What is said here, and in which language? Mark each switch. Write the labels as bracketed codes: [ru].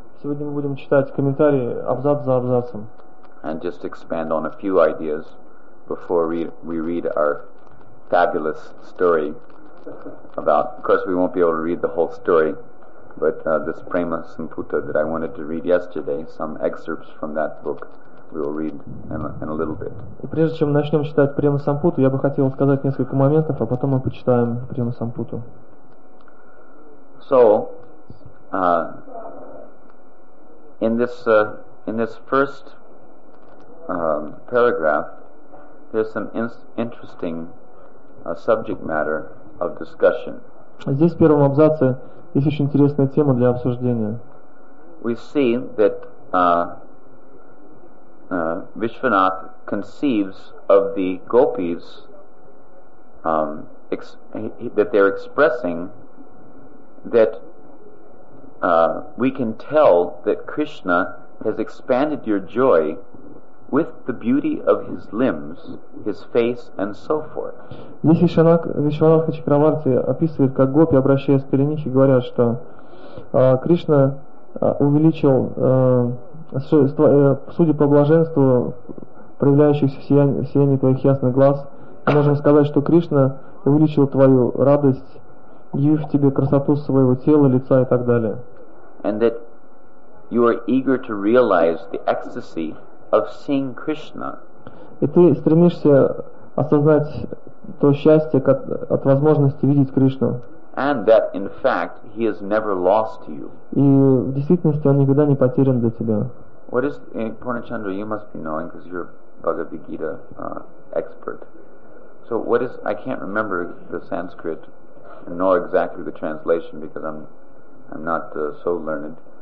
[ru] Сегодня мы будем читать комментарии абзац за абзацем. [en] And just expand on a few ideas before we read our fabulous story about. Of course, we won't be able to read the whole story. But this Prema Samputa that I wanted to read yesterday, some excerpts from that book, we will read in a little bit. [ru] Прежде чем начнем читать Према Сампуту, я бы хотел сказать несколько моментов, а потом мы почитаем Према Сампуту. [en] So, in this first paragraph, there's some interesting subject matter of discussion. [ru] Здесь в первом абзаце есть очень интересная тема для обсуждения. [en] We see that Vishwanath conceives of the gopis that they're expressing that we can tell that Krishna has expanded your joy with the beauty of his limbs, his face, and so forth. [ru] Здесь Вишванатха Чакраварти описывает, как гопи, обращаясь к Каренихе, говорят, что Кришна увеличил, судя по блаженству, проявляющихся в сиянии твоих ясных глаз, мы можем сказать, что Кришна увеличил твою радость, явив тебе красоту своего тела, лица и так далее. [en] And that you are eager to realize the ecstasy of seeing Krishna. [ru] И ты стремишься осознать то счастье, как от возможности видеть Кришну. [en] And that in fact he is never lost to you. [ru] И в действительности он никогда не потерян для тебя. [en] What is Purnachandra, you must be knowing because you're a Bhagavad Gita expert. So what is, I can't remember the Sanskrit nor exactly the translation because I'm not so learned.